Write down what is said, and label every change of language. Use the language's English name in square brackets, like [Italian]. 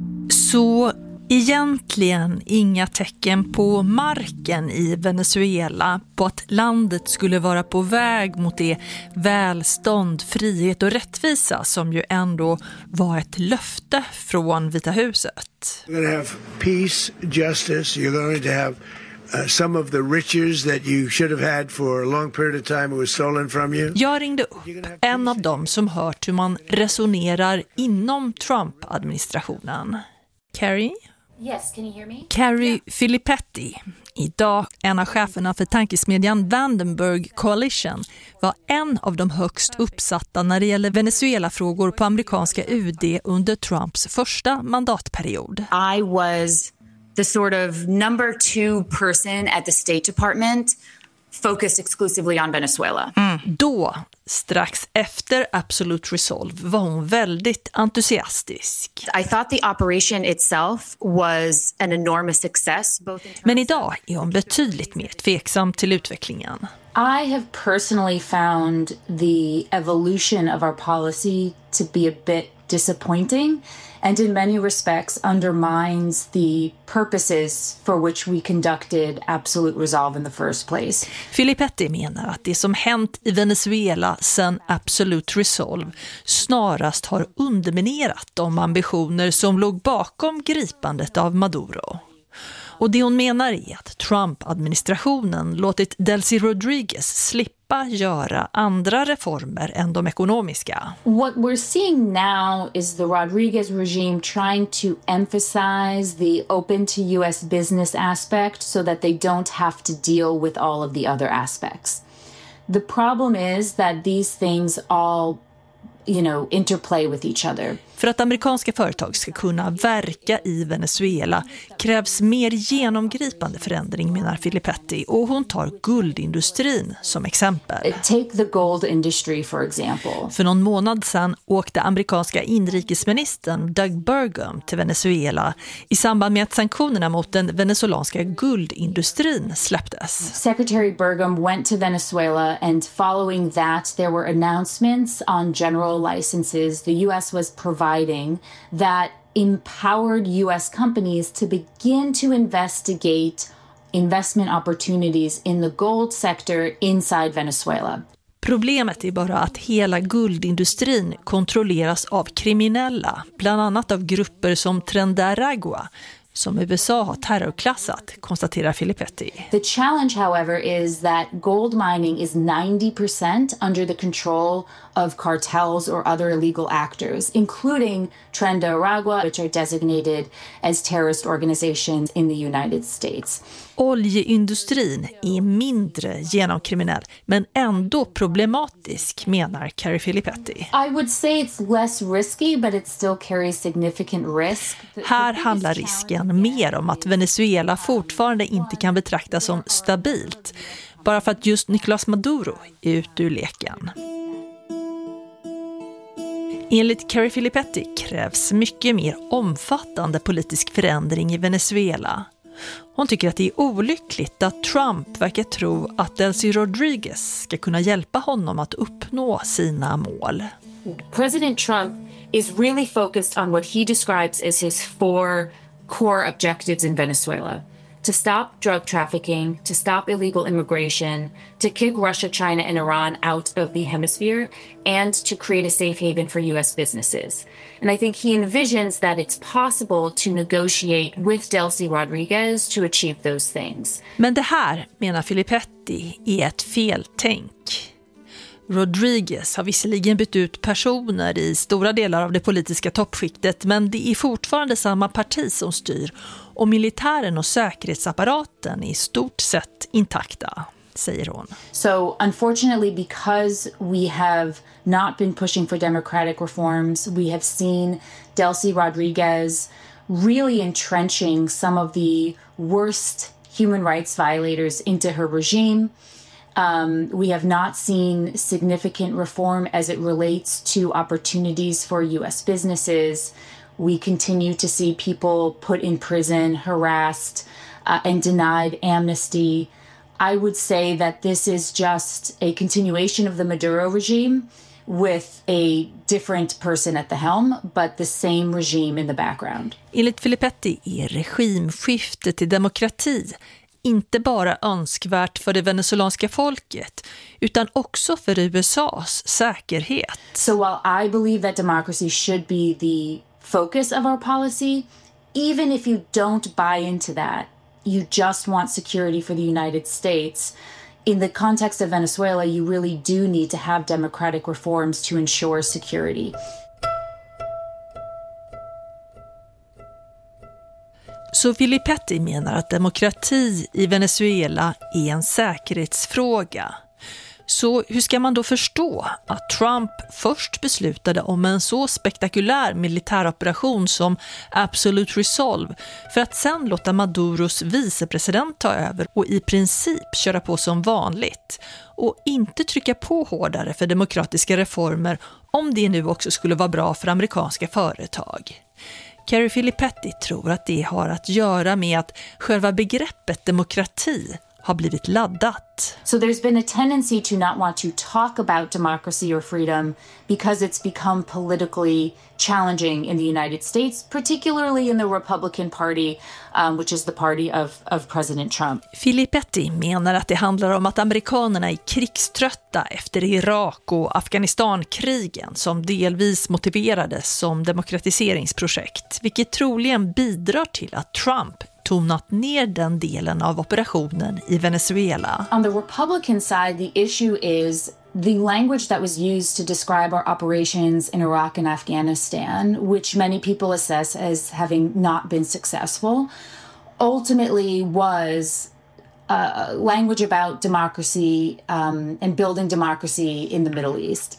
[Swedish] Så egentligen inga tecken på marken i Venezuela på att landet skulle vara på väg mot det välstånd, frihet och rättvisa som ju ändå var ett löfte från Vita huset. [English] You're going to have peace, justice, you're going to have some of the riches that you should have had for a long period of time was stolen from you. [Swedish] Jag ringde upp en av dem som hört hur man resonerar inom Trump-administrationen. [English] Carrie? Yes, can you hear me? Carrie, yeah. [Swedish] Filippetti, idag en av cheferna för tankesmedjan Vandenberg Coalition, var en av de högst uppsatta när det gäller Venezuela-frågor på amerikanska UD under Trumps första mandatperiod. [English] I was the sort of number 2 person at the State Department focused exclusively on Venezuela. [Swedish] Då Strax efter Absolute Resolve var hon väldigt entusiastisk. [English] I thought the operation itself was an enormous success. Both in [Swedish] Men idag är hon betydligt mer tveksam till utvecklingen. [English] I have personally found the evolution of our policy to be a bit disappointing and in many respects undermines the purposes for which we conducted Absolute Resolve in the first place. [Swedish] Filippetti menar att det som hänt i Venezuela sedan Absolute Resolve snarast har underminerat de ambitioner som låg bakom gripandet av Maduro. Och det hon menar är att Trump-administrationen låtit Delcy Rodriguez slippa göra andra reformer än de ekonomiska. [English] What we're seeing now is the Rodriguez regime trying to emphasize the open to US business aspect so that they don't have to deal with all of the other aspects. The problem is that these things all, you know, interplay with each other. [Swedish] För att amerikanska företag ska kunna verka i Venezuela krävs mer genomgripande förändring, menar Filippetti, och hon tar guldindustrin som exempel. [English] Take the gold industry for example. [Swedish] För någon månad sedan åkte amerikanska inrikesministern Doug Burgum till Venezuela i samband med att sanktionerna mot den venezolanska guldindustrin släpptes. [English] Secretary Burgum went to Venezuela and following that there were announcements on general licenses the US was providing that empowered US companies to begin to investigate investment opportunities in the gold sector inside Venezuela. [Swedish] Problemet är bara att hela guldindustrin kontrolleras av kriminella, bland annat av grupper som Trendaragua, som USA har terrorklassat, konstaterar Filippetti. [English] The challenge however is that gold mining is 90% under the control of cartels or other illegal actors, including Trendaragua, which are designated as terrorist organizations in the United States. [Swedish] Oljeindustrin är mindre genomkriminell, men ändå problematisk, menar Carrie Filippetti. [English] I would say it's less risky, but it still carries significant risk. [Swedish] Här handlar risken mer om att Venezuela fortfarande inte kan betraktas som stabilt, bara för att just Nicolás Maduro är ute ur leken. Enligt Carrie Filippetti krävs mycket mer omfattande politisk förändring i Venezuela. Hon tycker att det är olyckligt att Trump verkar tro att Delcy Rodriguez ska kunna hjälpa honom att uppnå sina mål. [English] President Trump is really focused on what he describes as his four core objectives in Venezuela: to stop drug trafficking, to stop illegal immigration, to kick Russia, China and Iran out of the hemisphere and to create a safe haven for US businesses. And I think he envisions that it's possible to negotiate with Delcy Rodriguez to achieve those things. [Swedish] Men det här, menar Filippetti, är ett feltänk. Rodriguez har visserligen bytt ut personer i stora delar av det politiska toppskiktet, men det är fortfarande samma parti som styr och militären och säkerhetsapparaten är i stort sett intakta, säger hon. [English] So unfortunately because we have not been pushing for democratic reforms, we have seen Delcy Rodriguez really entrenching some of the worst human rights violators into her regime. We have not seen significant reform as it relates to opportunities for US businesses. We continue to see people put in prison, harassed, and denied amnesty. I would say that this is just a continuation of the Maduro regime with a different person at the helm, but the same regime in the background. [Swedish] Enligt Filippetti är regimskiftet till demokrati inte bara önskvärt för det venezuelanska folket utan också för USA:s säkerhet. [English] So while I believe that democracy should be the focus of our policy, even if you don't buy into that, you just want security for the United States, in the context of Venezuela, you really do need to have democratic reforms to ensure security. [Swedish] Så Filippetti menar att demokrati i Venezuela är en säkerhetsfråga. Så hur ska man då förstå att Trump först beslutade om en så spektakulär militäroperation som Absolute Resolve för att sen låta Maduros vicepresident ta över och i princip köra på som vanligt och inte trycka på hårdare för demokratiska reformer om det nu också skulle vara bra för amerikanska företag? Carrie Filippetti tror att det har att göra med att själva begreppet demokrati har blivit laddat. [English] So there's been a tendency to not want to talk about democracy or freedom because it's become politically challenging in the United States, particularly in the Republican Party, which is the party of President Trump. [Swedish] Filippetti menar att det handlar om att amerikanerna är krigströtta efter Irak- och Afghanistankrigen som delvis motiverades som demokratiseringsprojekt, vilket troligen bidrar till att Trump tonat ner den delen av operationen i Venezuela. [English] On the Republican side, the issue is the language that was used to describe our operations in Iraq and Afghanistan, which many people assess as having not been successful, ultimately was language about democracy and building democracy in the Middle East.